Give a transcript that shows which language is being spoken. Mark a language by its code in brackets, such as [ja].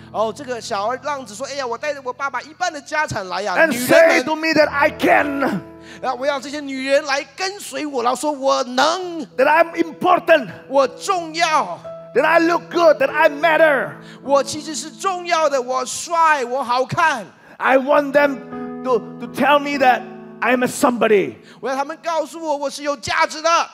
[zh] 哦，这个小儿浪子说：“哎呀，我带着我爸爸一半的家产来呀。” [en] And say to me that I can. [zh] 我要这些女人来跟随我，然后说我能。 [en] That I'm important， [zh] 我重要。 [en] That I look good， that I matter， [zh] 我其实是重要的，我帅，我好看。 [en] I want them to tell me that I'm a somebody， [zh] 我要他们告诉我我是有价值的。